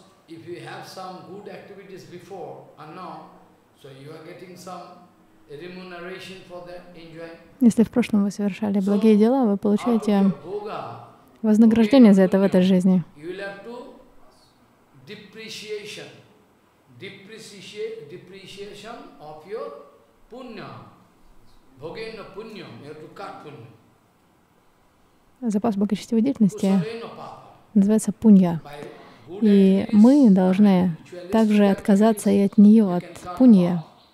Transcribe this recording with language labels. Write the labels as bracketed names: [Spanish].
[English] if you have some good activities before and now, so you are getting some remuneration for that enjoy. [Russian] Если в прошлом вы совершали благие дела, вы получаете вознаграждение за это в этой жизни. [English] You will have to depreciation, depreciation of your punya, bhogena punya, you have to cut punya. [Russian] Запас благочестивой деятельности называется пунья. И мы должны также отказаться и от нее, от пунья.